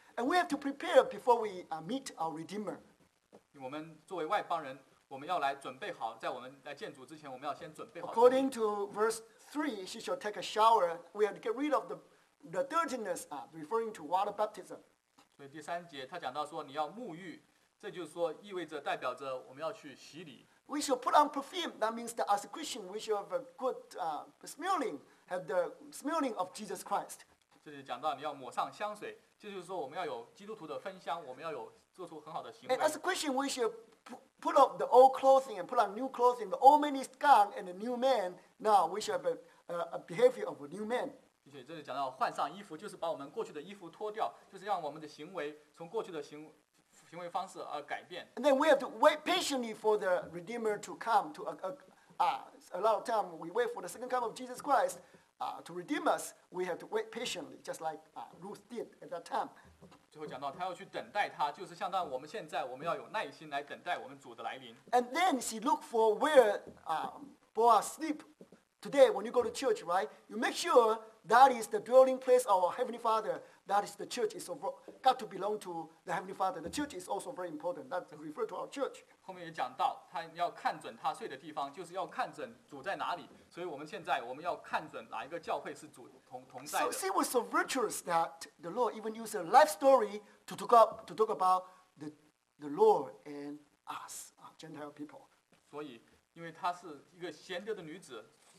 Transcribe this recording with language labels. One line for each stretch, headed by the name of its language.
English: And we have to prepare before we meet our Redeemer.
Chinese: 我们作为外邦人我们要来准备好，在我们来见主之前，我们要先准备好。
English: According to verse 3, she shall take a shower. We have to get rid of the dirtiness, referring to water baptism.
Chinese: 所以第三节他讲到说你要沐浴，这就是说意味着代表着我们要去洗礼。
English: We shall put on perfume. That means that as a Christian, we shall have a good smelling, have the smelling of Jesus Christ.
Chinese: 这里讲到你要抹上香水，这就是说我们要有基督徒的芬香，我们要有做出很好的行为。
English: And as a Christian, we shall put off the old clothing and put on new clothing. The old man is gone and the new man, now we shall have a behavior of a new man.
Chinese: 并且这里讲到换上衣服，就是把我们过去的衣服脱掉，就是让我们的行为从过去的行为方式而改变。
English: And then we have to wait patiently for the Redeemer to come to a lot of time. We wait for the second coming of Jesus Christ. to redeem us, we have to wait patiently, just like Ruth did at that time.
Chinese: 最后讲到他要去等待他，就是相当于我们现在，我们要有耐心来等待我们主的来临。
English: And then she looked for where Boaz sleep. Today, when you go to church, right, you make sure that is the dwelling place of our Heavenly Father. That is the church is over, got to belong to the Heavenly Father. The church is also very important. That refers to our church.
Chinese: 后面也讲到，他要看准他睡的地方，就是要看准主在哪里。所以我们现在我们要看准哪一个教会是主同在的。
English: So she was so virtuous that the Lord even used a life story to talk up to talk about the Lord and us, Gentile people.
Chinese: 所以，因为她是一个贤德的女子。